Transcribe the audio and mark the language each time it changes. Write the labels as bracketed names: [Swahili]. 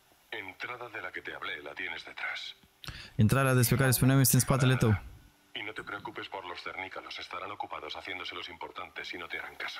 [Spanish] Entrada de la que te hablé, la tienes detrás. [Romanian] Intrarea despre care spuneam este în spatele tău. [Spanish] Y no te preocupes por los cernícalos, estarán ocupados haciéndose los importantes y no te harán caso.